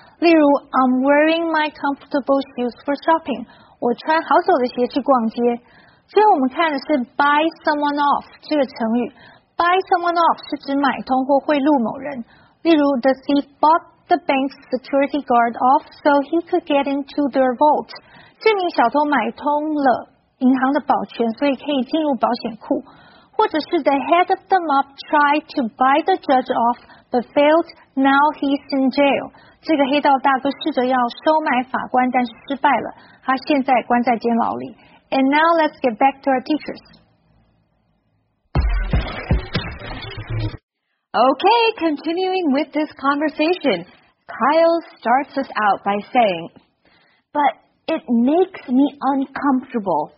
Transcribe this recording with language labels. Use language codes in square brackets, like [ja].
[zh] 例如 [en] ，I'm wearing my comfortable shoes for shopping。 [zh] 我穿好走的鞋去逛街。所以我们看的是 buy someone off 这个成语。 buy someone off 是指买通或贿赂某人。例如 [en] ，The thief bought the bank's security guard off so he could get into their vault。 [zh] 这名小偷买通了银行的保全，所以可以进入保险库。或者是 [en] the head of the mob tried to buy the judge off but failed, now he's in jail. [zh] 这个黑道大哥试着要收买法官但是失败了，他现在关在监牢里。 [en] And now let's get back to our teachers. Okay, continuing with this conversation, Kyle starts us out by saying, but it makes me uncomfortable.